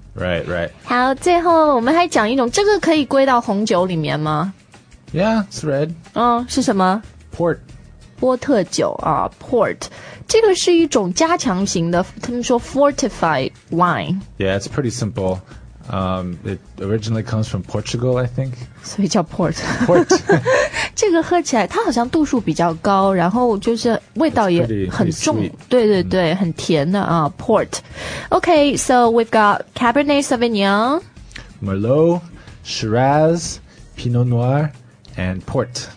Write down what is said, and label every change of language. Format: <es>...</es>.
<en>Right, right.</en> <zh>好，最后我们还讲一种，这个可以归到红酒里面吗？</zh> <en>Yeah, it's red.</en> <zh>是什么？</zh> <en>Port.</en> <zh>波特酒啊 ,port, 这个是一种加强型的，他们说 fortified wine.</zh> <en>Yeah, it's pretty simple. It originally comes from Portugal, I think.</en> <zh>所以叫 port.</zh> <en>Port.</en> <zh>这个喝起来它好像度数比较高，然后就是味道也很重。</zh> <en>Pretty, pretty</en> <zh>对对对、很甜的啊 ,port.</zh> <en>Okay, so we've got Cabernet Sauvignon, Merlot, Shiraz, Pinot Noir,And port.</en>